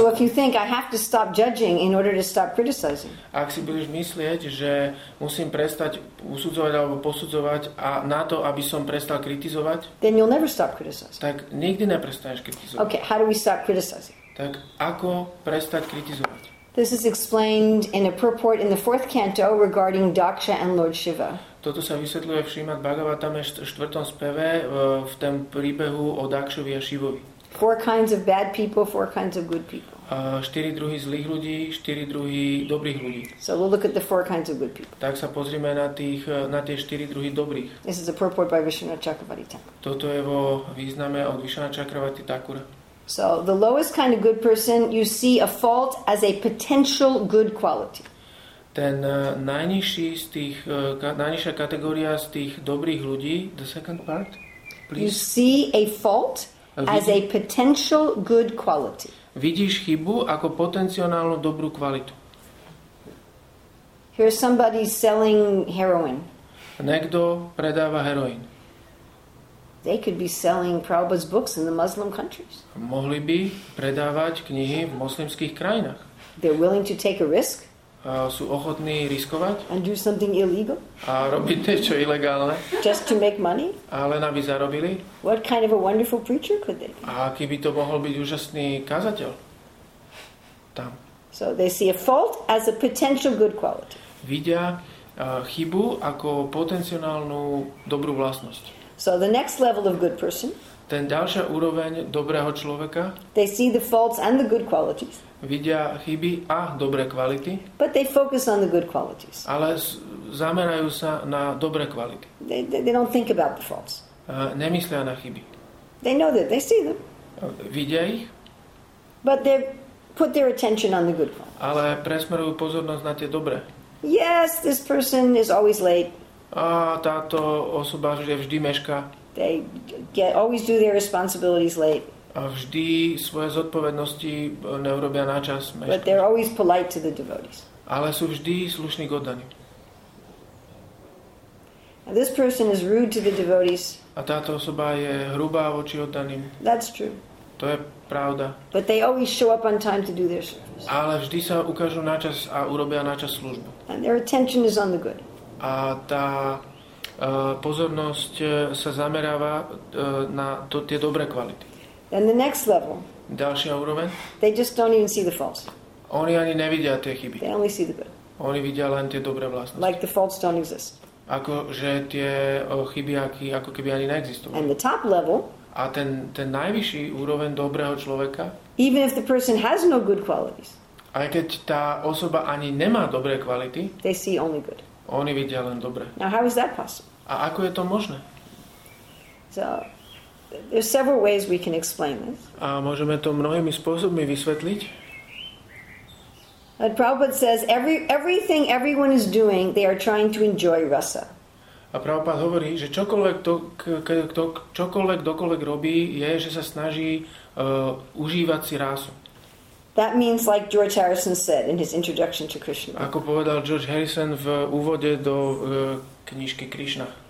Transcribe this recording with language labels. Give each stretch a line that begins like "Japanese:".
English: So if you think I have to stop judging in order to stop criticizing.
Slovak: Ak si budeš myslieť, že musím prestať usudzovať alebo posudzovať a na to, aby som prestal kritizovať,
English: then you'll never stop criticizing.
Slovak: Tak nikdy neprestaneš kritizovať.
English: Okay, how do we stop criticizing?
Slovak: Tak ako prestať kritizovať?
English: This is explained in a purport in the fourth canto regarding Daksha and Lord Shiva.
Slovak: Toto sa vysvetľuje v Šrimad Bhagavatame v štvrtom speve v tom príbehu o Dakšovi a Šivovi.
English: Four kinds of bad people, four kinds of good people.
Slovak: Štyri druhy zlých ľudí, štyri druhy dobrých ľudí.
English: So we'll look at the four kinds of good people.
Slovak: Tak sa pozrime na tých, na tie štyri druhy dobrých.
English: This is a purport by Vishnu Chakravarti Thakura.
Slovak: Toto je vo význame od Vishnu Chakravarti Thakura.
English: So the lowest kind of good person, you see a fault as a potential good quality.
Slovak: Ten najnižší z tých najnižšia kategória z tých dobrých ľudí,
English: the second part, please. You see a fault as a potential good quality.
Slovak: Vidíš chybu ako potenciálnu dobrú kvalitu.
English: Here's somebody selling heroin.
Slovak: Niekto predáva heroin.
English: They could be selling Prabhupada's books in the Muslim countries.
Slovak: Mohli by predávať knihy v moslimských krajinách.
English: They're willing to take a risk.
Slovak: Sú ochotní riskovať.
English: And do something illegal.
Slovak: A robiť niečo ilegálne.
English: Just to make money.
Slovak: A len aby zarobili.
English: What kind of a wonderful preacher could they be?
Slovak: A aký by to mohol byť úžasný kazateľ. Tam.
English: So they see a fault as a potential good quality.
Slovak: Vidia chybu ako potenciálnu dobrú vlastnosť.
English: So the next level of good person.
Slovak: Ten ďalšia úroveň dobrého človeka.
English: They see the faults and the good qualities.
Slovak: Vidia chyby a dobré kvality.
English: But they focus on the good qualities.
Slovak: Ale zamerajú sa na dobré kvality.
English: They don't think about the faults.
Slovak: Nemyslia na chyby.
English: They know that. They see them.
Slovak: Vidia ich.
English: But they put their attention on the good qualities.
Slovak: Ale presmerujú pozornosť na tie dobré.
English: Yes, this person is always late.
Slovak: A táto osoba je vždy meška.
English: They get, always do their responsibilities late.
Slovak: A vždy svoje zodpovednosti neurobia na čas. Meška.
English: But they're always polite to the devotees.
Slovak: Ale sú vždy slušní k oddaným.
English: Now this person is rude to the devotees.
Slovak: A táto osoba je hrubá voči oddaným.
English: That's true.
Slovak: To je pravda.
English: But they always show up on time to do their service.
Slovak: Ale vždy sa ukážu na čas a urobia na čas službu.
English: And their attention is on the good.
Slovak: A tá pozornosť sa zameráva na to, tie dobré kvality.
English: And the next level.
Slovak: Ďalšia úroveň.
English: They just don't even see the faults.
Slovak: Oni ani nevidia tie chyby.
English: They only see the good.
Slovak: Oni vidia len tie dobré vlastnosti.
English: Like the faults don't exist.
Slovak: Ako že tie chyby ako keby ani neexistovali.
English: And the top level.
Slovak: A ten najvyšší úroveň dobrého človeka.
English: Even if the person has no good qualities.
Slovak: Aj keď tá osoba ani nemá dobré kvality.
English: They see only good.
Slovak: Oni vidia len dobre.
English: Now how is that possible?
Slovak: A ako je to možné?
English: So there's several ways we can explain this.
Slovak: A môžeme to mnohými spôsobmi vysvetliť.
English: And Prabhupada says everything everyone is doing, they are trying to enjoy rasa.
Slovak: A Prabhupada hovorí, že čokoľvek dokoľvek robí, je, že sa snaží užívať si rasu.
English: That means like George Harrison said in his introduction to Krishna.
Slovak: Ako povedal George Harrison v úvode do knižky Krishna.